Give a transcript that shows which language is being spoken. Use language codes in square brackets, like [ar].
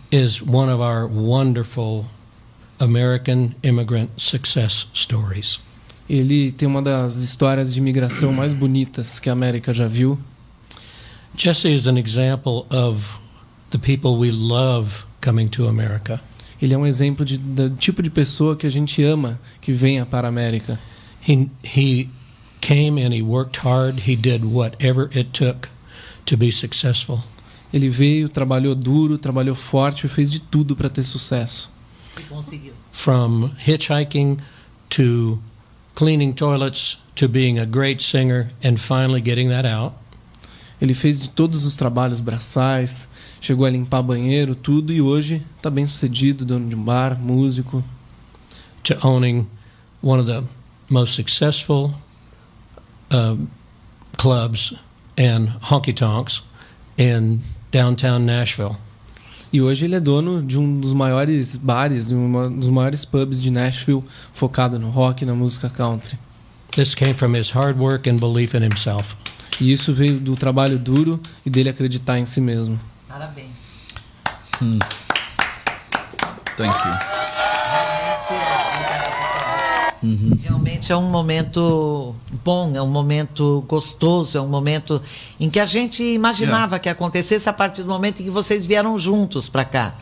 [en] Is one of our wonderful American immigrant success stories. [pt] Ele tem uma das histórias de imigração mais bonitas que a América já viu. [en] Jesse is an example of the people we love coming to America. [pt] Ele é um exemplo do tipo de pessoa que a gente ama que venha para a América. [en] He came and he worked hard. He did whatever it took to be successful. [pt] Ele veio, trabalhou duro, trabalhou forte e fez de tudo para ter sucesso. [en] From hitchhiking to cleaning toilets to being a great singer and finally getting that out. [pt] Ele fez de todos os trabalhos, braçais, chegou a limpar banheiro, tudo, e hoje está bem sucedido, dono de um bar, músico. [en] To owning one of the most successful clubs and honky-tonks in downtown Nashville. [pt] E hoje ele é dono de um dos maiores bares, de um dos maiores pubs de Nashville, focado no rock e na música country. [en] This came from his hard work and belief in himself. [pt] E isso veio do trabalho duro e dele acreditar em si mesmo. Parabéns. [en] Thank you. [pt] Realmente é um momento bom, é um momento gostoso, é um momento em que a gente imaginava que acontecesse a partir do momento em que vocês vieram juntos para cá.